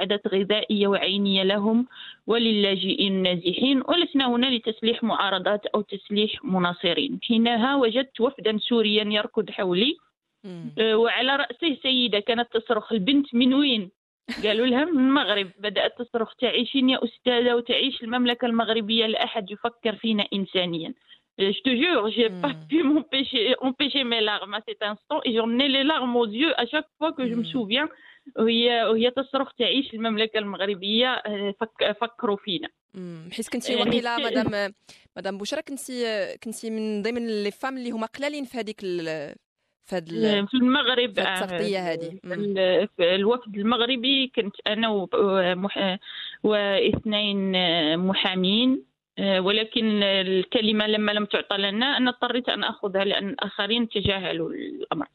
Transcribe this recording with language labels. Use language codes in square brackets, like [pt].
[ar] مساعدات غذائية وعينية لهم وللاجئين النازحين، ولسنا هنا لتسليح معارضات أو تسليح مناصرين. حينها وجدت وفدا سوريا يركض حولي وعلى رأسه سيدة كانت تصرخ: البنت من وين؟ قالوا لها من المغرب. بدأت تصرخ: تعيشين يا أستاذة وتعيش المملكة المغربية، لأحد يفكر فينا إنسانيا. [fr] Je te jure, j'ai pas pu m'empêcher mes larmes à cet instant et j'en ai les larmes aux yeux à chaque fois que je me souviens [ar] وهي تصرخ تعيش المملكة المغربية فكروا فينا. حس كنتي وقيلة مدام بوشرة كنتي من ضمن اللي فام اللي هما قلالين في هذيك في المغرب التغطية هذه. الوفد المغربي كنت أنا واثنين محامين، ولكن الكلمة لم تعطى لنا أنا اضطريت أن أخذها لأن الآخرين تجاهلوا الأمر.